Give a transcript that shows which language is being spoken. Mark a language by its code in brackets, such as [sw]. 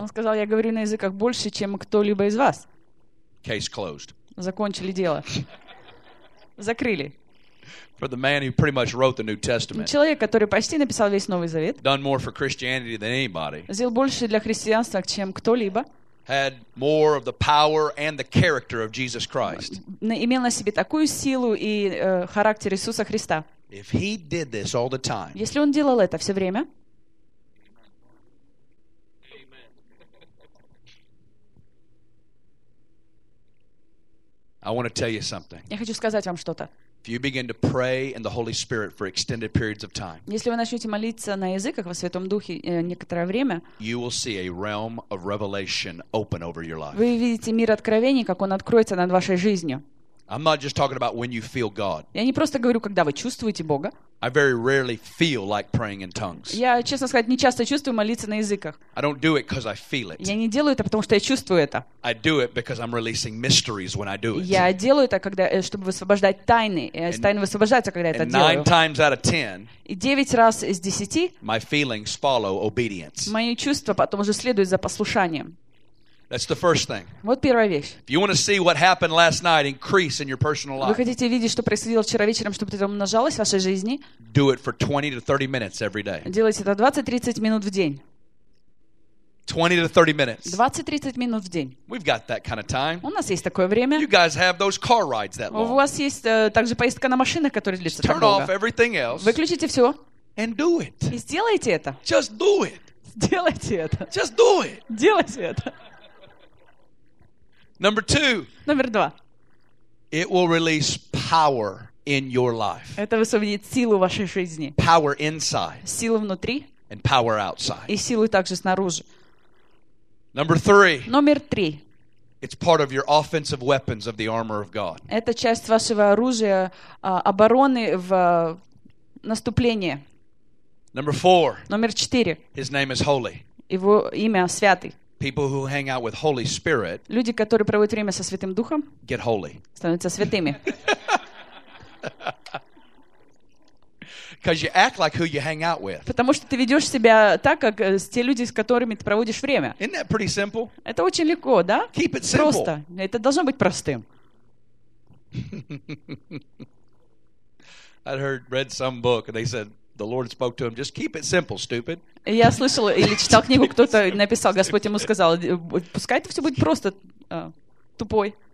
[ru] Он сказал, я говорю на языках больше, чем кто-либо из вас. [en] Case closed. [ru] Закончили дело. Закрыли. [en] For the man who pretty much wrote the New Testament. [ru] Человек, который почти написал весь Новый Завет. [en] Done more for Christianity than anybody. [ru] Сделал больше для христианства, чем кто-либо. [en] Had more of the power and the character of Jesus Christ. [ru] Имел на себе такую силу и характер Иисуса Христа. [en] If he did this all the time. [ru] Если он делал это все время. [en] I want to tell you something. [ru] Я хочу сказать вам что-то. [en] If you begin to pray in the Holy Spirit for extended periods of time, [ru] если вы начнете молиться на языках во Святом Духе некоторое время, [en] you will see a realm of revelation open over your life. [ru] Вы видите мир откровений, как он откроется над вашей жизнью. [en] I'm not just talking about when you feel God. [ru] Я не просто говорю, когда вы чувствуете Бога. [en] I very rarely feel like praying in tongues. [ru] Я, честно сказать, не часто чувствую молиться на языках. [en] I don't do it because I feel it. [ru] Я не делаю это, потому что я чувствую это. [en] I do it because I'm releasing mysteries when I do it. [ru] Я делаю это, когда, чтобы высвобождать тайны. Тайны высвобождаются, когда я это делаю. [en] And 9 times out of 10. [ru] И 9 раз из 10. [en] My feelings follow obedience. [ru] Мои чувства потом уже следуют за послушанием. [en] That's the first thing. [ru] Вот первая вещь. [en] If you want to see what happened last night increase in your personal life. [ru] Вы хотите видеть, что происходило вчера вечером, чтобы это умножалось в вашей жизни? [en] Do it for 20 to 30 minutes every day. [ru] Делайте это 20-30 минут в день. [en] 20 to 30 minutes. [ru] 20-30 минут в день. [en] We've got that kind of time. [ru] У нас есть такое время. [en] You guys have those car rides that long. [ru] У вас есть также поездка на машинах, которая длится так долго. [en] Turn off everything else. [ru] Выключите все. [en] And do it. [ru] И сделайте это. [en] Just do it. [ru] Сделайте это. [en] Just do it. [ru] Делайте это. [en] Number two. Number 2. It will release power in your life. [ru] Это высвободит силу в вашей жизни. [en] Power inside. [ru] Силу внутри. [en] And power outside. [ru] И силу также снаружи. [en] Number 3. [ru] Номер 3. [en] It's part of your offensive weapons of the armor of God. [ru] Это часть вашего оружия обороны в наступлении. [en] Number 4. [ru] Номер 4. [en] His name is holy. [ru] Его имя святый. [en] People who hang out with Holy Spirit, [ru] люди, которые проводят время со Святым Духом, [en] get holy, [ru] становятся святыми. [en] Because you act like who you hang out with. [ru] Потому что ты ведешь себя так, как те люди, с которыми ты проводишь время. [en] Isn't that pretty simple? [ru] Это очень легко, да? [en] Keep it simple. [ru] Просто. Это должно быть простым. [en] I heard read some book and they said. The Lord spoke to him. Just keep it simple, stupid. [ru] Я слышал или читал книгу, кто-то написал, Господь ему сказал, пускай это все будет просто тупой.